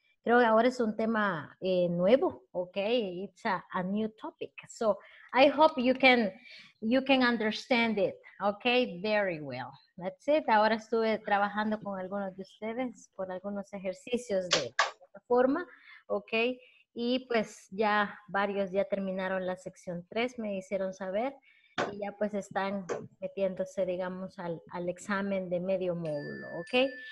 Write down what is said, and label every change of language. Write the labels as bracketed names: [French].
[Spanish] Creo que ahora es un tema nuevo, okay. [English] It's a new topic, so I hope you can understand it, okay, very well. That's it. [Spanish] Ahora estuve trabajando con algunos de ustedes por algunos ejercicios de plataforma, okay, y pues ya varios ya terminaron la sección 3, me hicieron saber, y ya pues están metiéndose, digamos, al examen de medio módulo, okay.